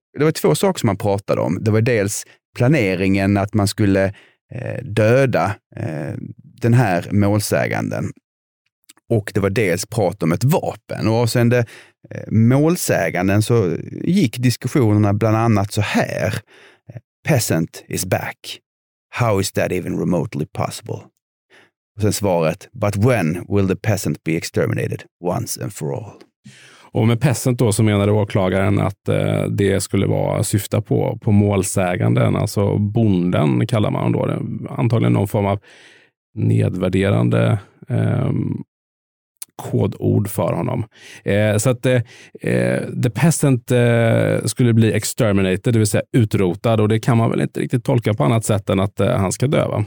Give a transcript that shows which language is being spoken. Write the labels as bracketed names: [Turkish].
[Swedish] Det var två saker som man pratade om. Det var dels planeringen att man skulle döda den här målsäganden. Och det var dels prat om ett vapen. Och avseende målsäganden så gick diskussionerna bland annat så här. [English] Peasant is back. How is that even remotely possible? [Swedish] Och sen svaret, [English] but when will the peasant be exterminated once and for all? [Swedish] Och med peasant då så menade åklagaren att det skulle vara syfta på målsäganden. Alltså bonden kallar man då. Antagligen någon form av nedvärderande kodord för honom. Så att the peasant skulle bli exterminated, det vill säga utrotad, och det kan man väl inte riktigt tolka på annat sätt än att han ska dö, va?